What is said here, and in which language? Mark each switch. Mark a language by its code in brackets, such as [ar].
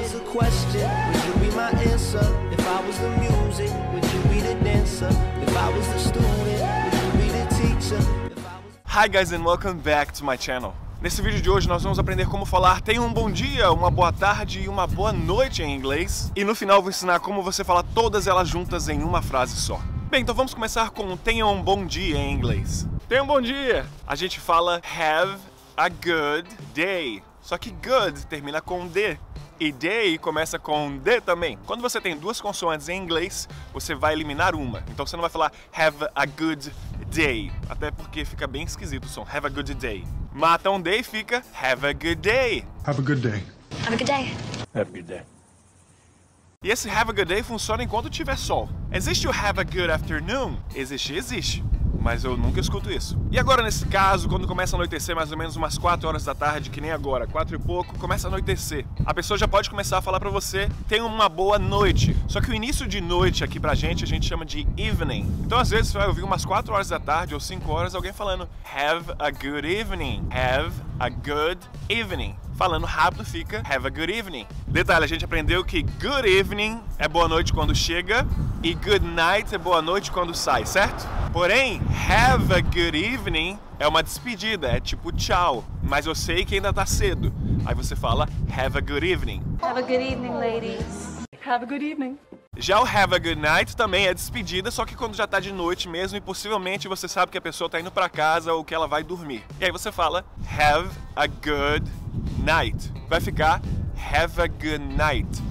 [en] question, would you be my answer? If I was the music, would you be the dancer? If I was the student, would you be the teacher? Hi guys and welcome back to my channel. [pt] Nesse vídeo de hoje nós vamos aprender como falar tenha um bom dia, uma boa tarde e uma boa noite em inglês. E no final eu vou ensinar como você falar todas elas juntas em uma frase só. Bem, então vamos começar com tenha um bom dia em inglês. Tenha um bom dia! A gente fala [en] have a good day. [pt] Só que good termina com D. E day começa com D também. Quando você tem duas consoantes em inglês, você vai eliminar uma. Então você não vai falar [en] have a good day. [pt] Até porque fica bem esquisito o som. [en] Have a good day. [pt] Mata um day, fica [en] have a good day. Have a good day. Have a good day. Have a good day. [pt] E esse [en] have a good day [pt] funciona enquanto tiver sol. Existe o [en] have a good afternoon? [pt] Existe, existe. Mas eu nunca escuto isso. E agora nesse caso, quando começa a anoitecer mais ou menos umas 4 horas da tarde, que nem agora, 4 e pouco, começa a anoitecer. A pessoa já pode começar a falar pra você, tenha uma boa noite. Só que o início de noite aqui pra gente, a gente chama de evening. Então às vezes você vai ouvir umas 4 horas da tarde ou 5 horas alguém falando, [en] have a good evening, [pt] have a good evening. Falando rápido fica, [en] have a good evening. [pt] Detalhe, a gente aprendeu que [en] good evening [pt] é boa noite quando chega e [en] good night [pt] é boa noite quando sai, certo? Porém, [en] have a good evening [pt] é uma despedida, é tipo tchau. Mas eu sei que ainda tá cedo. Aí você fala, [en] have a good evening. Have a good evening, ladies. Have a good evening. [pt] Já o [en] have a good night [pt] também é despedida, só que quando já tá de noite mesmo e possivelmente você sabe que a pessoa tá indo pra casa ou que ela vai dormir. E aí você fala, [en] have a good night. [pt] Vai ficar, [en] have a good night.